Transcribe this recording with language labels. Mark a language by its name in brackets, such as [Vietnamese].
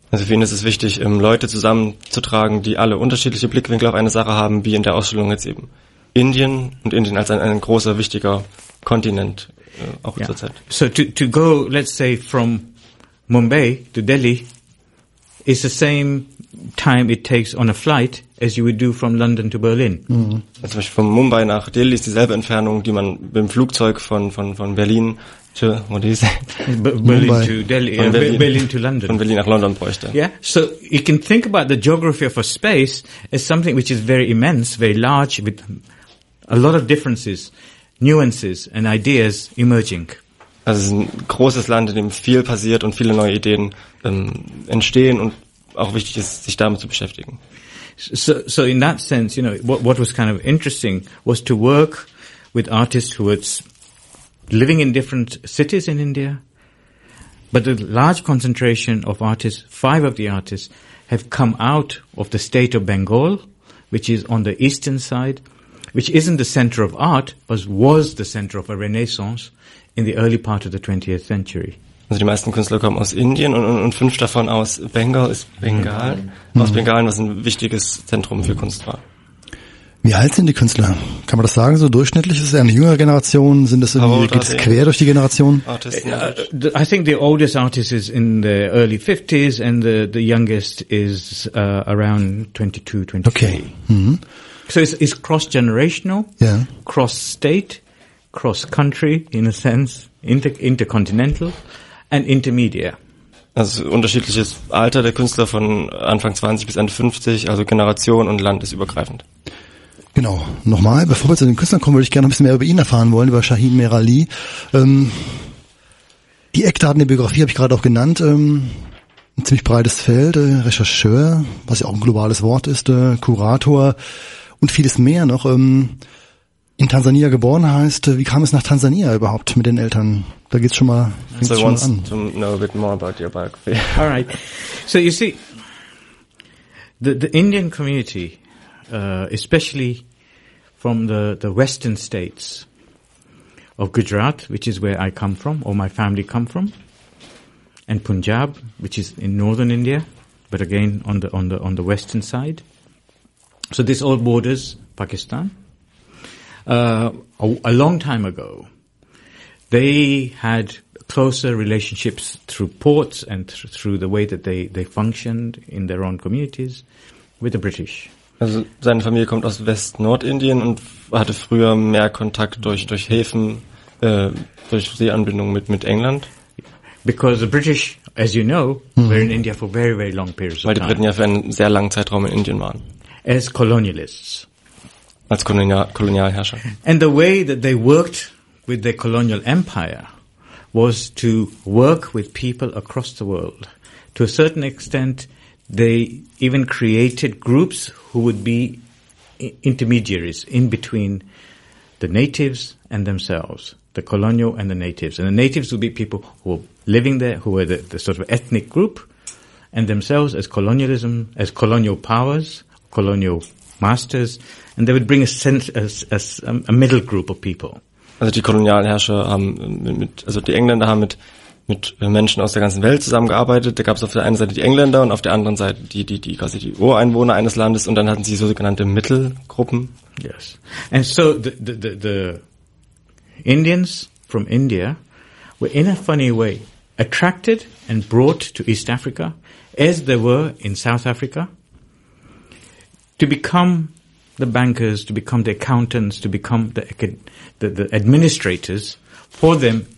[German] Also für ihn ist es wichtig, Leute zusammenzutragen, die alle unterschiedliche Blickwinkel auf eine Sache haben, wie in der Ausstellung jetzt eben Indien und Indien als ein großer, wichtiger Kontinent auch zur Zeit. [English] So to go, let's say, from Mumbai to Delhi is the same time it takes on a flight as you would do from London to Berlin. [German] Mm-hmm. Zum Beispiel von Mumbai nach Delhi ist dieselbe Entfernung, die man mit dem Flugzeug von Berlin zu, [English] what do you say? Berlin Mumbai. To Delhi, Berlin to London. [German] Von Berlin nach London bräuchte. [English] Yeah, so you can think about the geography of a space as something which is very immense, very large, with a lot of differences, nuances and ideas emerging. [German] Also es ist ein großes Land, in dem viel passiert und viele neue Ideen entstehen und auch wichtig ist, sich damit zu beschäftigen. [English] So in that sense, you know, what was kind of interesting was to work with artists who were living in different cities in India, but a large concentration of artists, five of the artists, have come out of the state of Bengal, which is on the eastern side, which isn't the center of art, but was the center of a renaissance in the early part of the 20th century. [German] Also die meisten Künstler kommen aus Indien und fünf davon aus Bengal, ist Bengal, aus Bengalen, was ein wichtiges Zentrum für Kunst war. Wie alt sind die Künstler? Kann man das sagen so durchschnittlich? Ist es eine jüngere Generation? Sind das irgendwie, geht es quer durch die Generation? [English] I think the oldest artist is in the early 50s and the youngest is around 22, 23. Okay. So it's cross-generational, cross-state, cross-country in a sense. Intercontinental and intermediate. [German] Also unterschiedliches Alter der Künstler von Anfang 20 bis Ende 50, also Generation und Land ist übergreifend. Genau. Nochmal, bevor wir zu den Künstlern kommen, würde ich gerne ein bisschen mehr über ihn erfahren wollen, über Shaheen Mehrali. Die Eckdaten der Biografie habe ich gerade auch genannt. Ein ziemlich breites Feld, Rechercheur, was ja auch ein globales Wort ist, Kurator und vieles mehr noch. In Tansania geboren heißt, wie kam es nach Tansania überhaupt mit den Eltern? Da geht's schon mal, so schon mal an. [English] So to know a bit more about your biography. All right. So you see, the Indian community, especially from the western states of Gujarat, which is where I come from, or my family come from, and Punjab, which is in northern India, but again on the western side. So this all borders Pakistan. A long time ago, they had closer relationships through ports and through the way that they functioned in their own communities with the British. [German] Also, seine Familie kommt aus West-Nordindien und hatte früher mehr Kontakt durch Häfen, durch Seeanbindung mit England. [English] Because the British, as you know, were in India for very, very long periods of time. [German] Weil die Briten ja für einen sehr langen Zeitraum in Indien waren. [English] As colonialists. [German] Als Kolonialherrscher. [English] And the way that they worked with their colonial empire was to work with people across the world. To a certain extent, they even created groups who would be intermediaries in between the natives and themselves, the colonial and the natives. And the natives would be people who were living there, who were the sort of ethnic group, and themselves as colonialism, as colonial powers, colonial masters, and they would bring a middle group of people. [German] Also die Kolonialherrscher haben die Engländer haben mit Menschen aus der ganzen Welt zusammengearbeitet. Da gab es auf der einen Seite die Engländer und auf der anderen Seite die quasi die Ureinwohner eines Landes und dann hatten sie sogenannte Mittelgruppen. [English] Yes. And so the Indians from India were in a funny way attracted and brought to East Africa as they were in South Africa. To become the bankers, to become the accountants, to become the administrators for them